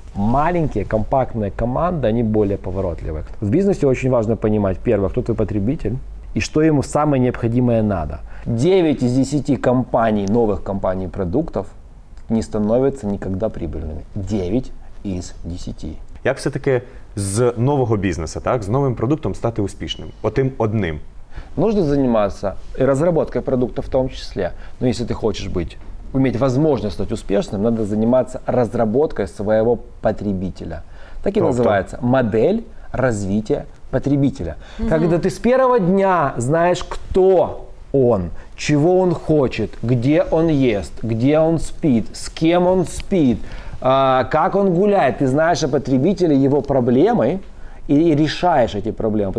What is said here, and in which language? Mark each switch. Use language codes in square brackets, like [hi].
[ru] Маленькие, компактные команды, они более поворотливы. В бизнесе очень важно понимать, первое, кто твой потребитель, и что ему самое необходимое надо. 9 из 10 компаний, новых компаний продуктов не становятся никогда прибыльными. 9 из 10. [uk] Як все-таки з нового бізнесу, так, з новим продуктом стати успішним? Отим одним. [ru] Нужно заниматься и разработкой продукта в том числе. Но если ты хочешь иметь возможность стать успешным, надо заниматься разработкой своего потребителя. Так и называется модель развития потребителя. Угу. Когда ты с первого дня знаешь, кто он, чего он хочет, где он ест, где он спит, с кем он спит, как он гуляет, ты знаешь о потребителе, его проблемы, и решаешь эти проблемы.